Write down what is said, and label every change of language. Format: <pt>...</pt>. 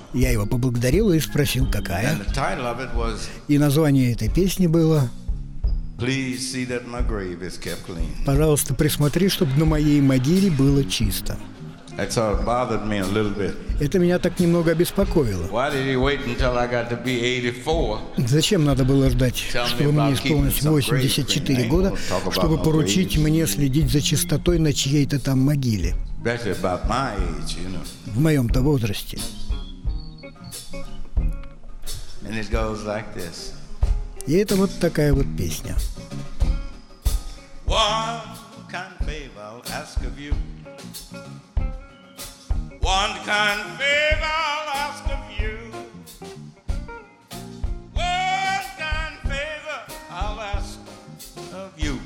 <ru>Я его поблагодарил и спросил, какая.</ru> <en>And the title of it was,</en> <ru>и название этой песни было:</ru> <en>Please see that my grave is kept clean.</en> <ru>«Пожалуйста, присмотри, чтобы на моей могиле было чисто».</ru> <en>That sort of bothered me a little bit.</en> <ru>Это меня так немного обеспокоило.</ru> <en>Why did he wait until I got to be 84?</en> <ru>Зачем надо было ждать, чтобы мне исполнилось 84 года, чтобы поручить мне следить за чистотой на чьей-то там могиле?</ru> <en>Especially about my age, you know.</en> <ru>В моем-то возрасте.</ru> <en>And it goes like this.</en> <ru>И это вот такая вот песня.</ru> <en>One kind favor I'll ask of you. One kind favor I'll ask of you. One kind favor I'll ask of you.</en>